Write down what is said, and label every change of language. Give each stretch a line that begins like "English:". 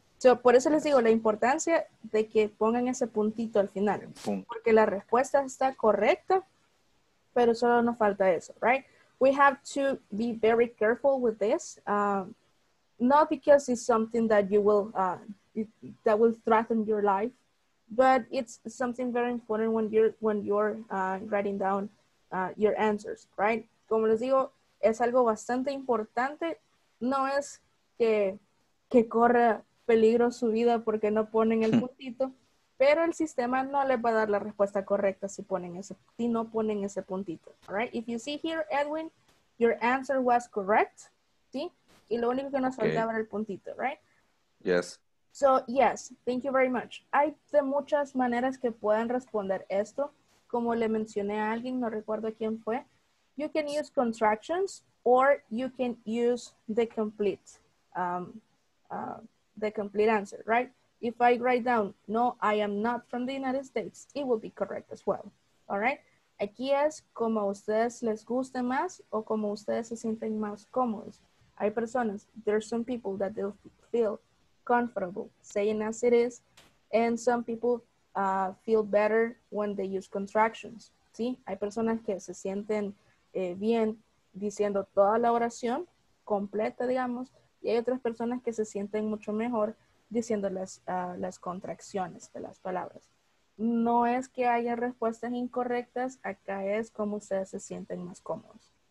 Spanish: So, por eso les digo la importancia de que pongan ese puntito al final. Porque la respuesta está correcta, pero solo nos falta eso, right?
English: We have to be very careful with this. Not because it's something that you will that will threaten your life, but it's something very important when you're writing down your answers, right?
Spanish: Como les digo, es algo bastante importante. No es que corra peligro su vida porque no ponen el puntito, pero el sistema no le va a dar la respuesta correcta si no ponen ese puntito, all right?
English: If you see here, Edwin, your answer was correct, ¿sí?
Spanish: Y lo único que nos faltaba era el puntito, right?
English: Yes. So, yes, thank you very much.
Spanish: Hay de muchas maneras que puedan responder esto. Como le mencioné a alguien, no recuerdo quién fue.
English: You can use contractions or you can use the complete answer, right? If I write down, no, I am not from the United States, it will be correct as well, all right?
Spanish: Aquí es como a ustedes les guste más o como ustedes se sienten más cómodos. Hay personas,
English: there are some people that they feel comfortable saying as it is, and some people feel better when they use contractions, ¿sí?
Spanish: Hay personas que se sienten bien diciendo toda la oración completa, digamos, y hay otras personas que se sienten mucho mejor diciendo las contracciones de las palabras. No es que haya respuestas incorrectas, acá es como ustedes se sienten más cómodos.